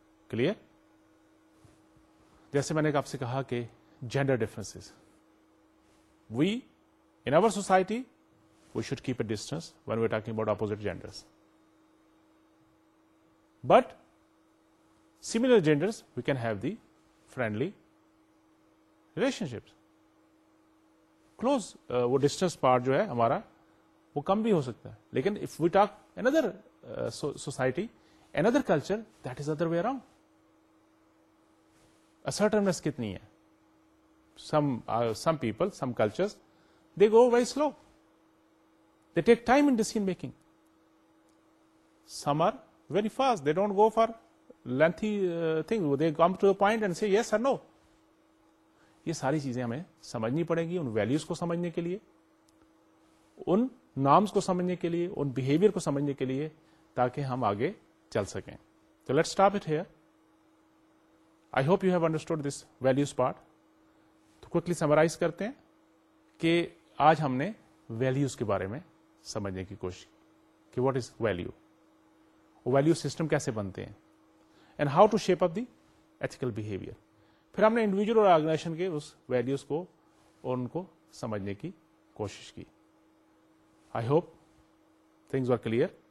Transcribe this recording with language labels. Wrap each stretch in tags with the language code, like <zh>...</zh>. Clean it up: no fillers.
<ur>Clear? جیسے میں نے آپ سے کہا کہ gender differences,</ur> <en>We in our society we should keep a distance when we talking about opposite genders, but similar genders we can have the friendly relationships.</en> <ur>Close وہ distance part جو ہے ہمارا وہ کم بھی ہو سکتا ہے, لیکن</ur> <en>If we talk اندر society اندر culture that is other way around. Assertiveness</en> <ur>کتنی ہے,</ur> <en>some people, some cultures, they go very slow, they take time in decision making, some are very fast, they don't go for lengthy things, they come to the point and say yes or no.</en> <ur>یہ ساری چیزیں ہمیں سمجھنی پڑیں گی, ان values کو سمجھنے کے لیے, ان norms کو سمجھنے کے لیے, ان behavior کو سمجھنے کے لیے, تاکہ ہم آگے چل سکیں.</ur> <en>So let's stop it here. I hope you have understood this values part.</en> <ur>تو quickly summarize کرتے ہیں کہ آج ہم نے values کے بارے میں سمجھنے کی کوشش کہ</ur> <en>what is value,</en> <ur>value system کیسے بنتے ہیں,</ur> <en>and how to shape up the ethical behavior.</en> <ur>پھر ہم نے individual اور organization کے اس values کو اور ان کو سمجھنے کی کوشش کی.</ur> <en>I hope things were clear.</en>